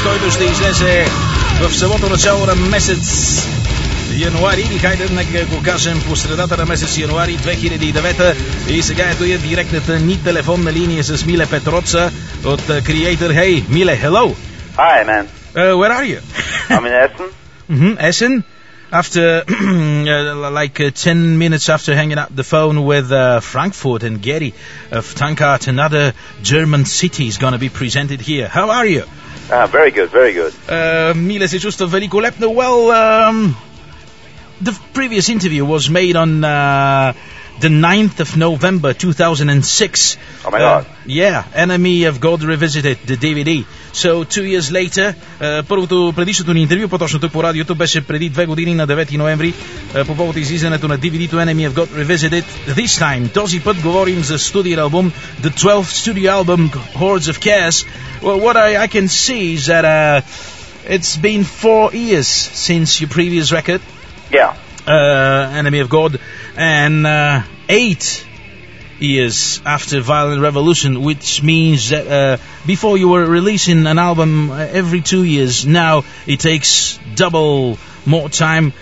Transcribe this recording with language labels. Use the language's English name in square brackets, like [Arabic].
[Afrikaans] Gooi dus die [Bulgarian] 6 в събота на начало на месец януари. Хайде, нека го кажем по средата на месец януари 2009. И сега ето я директната ни телефонна линия с Миле Петроца от Creator. [English] Hey, Миле, hello. Hi, man. Where are you? I'm in Essen. Essen? After like 10 minutes after hanging up the phone with Frankfurt and Gary of Tankard, another German city is going to be presented here. How are you? Very good, very good. Mile si giusto velikolepno. Well, the previous interview was made on the 9th of November 2006. Oh my god. Yeah, Enemy of God Revisited, the DVD. So, 2 years later, [Bulgarian] първото предишното ни интервю, по-точно тук по радиото, беше преди 2 години на 9 ноември, по повод излизането на DVD-то Enemy of God Revisited. [English] This time, [Bulgarian] този път говорим за студио албум, [English] the 12th studio album, Hordes of Chaos. Well, what I can see is that it's been 4 years since your previous record. Yeah. Enemy of God. And 8 years after Violent Revolution, which means that before you were releasing an album every 2 years, now it takes double more time.